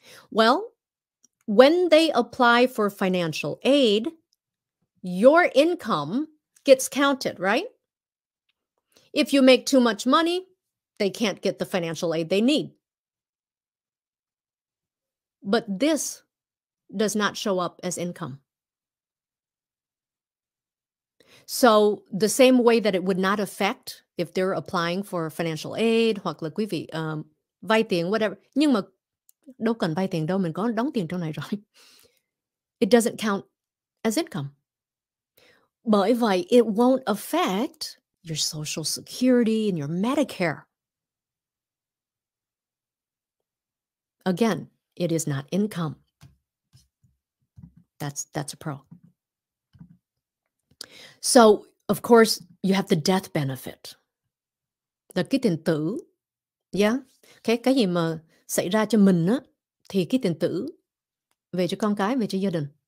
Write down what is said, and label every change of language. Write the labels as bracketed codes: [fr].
[en] Well, when they apply for financial aid, your income gets counted, right? If you make too much money, they can't get the financial aid they need. But this does not show up as income. So the same way that it would not affect if they're applying for financial aid, [vi] hoặc là quý vị vay tiền, [en] whatever, [vi] nhưng mà đâu cần vay tiền đâu, mình có đóng tiền trong này rồi. [en] It doesn't count as income. [vi] Bởi vậy, [en] it won't affect your Social Security and your Medicare. Again, it is not income. That's a pro. So, of course, you have the death benefit. [vi] Là cái tiền tử. Yeah? Okay, cái gì mà xảy ra cho mình á, thì cái tiền tử về cho con cái, về cho gia đình.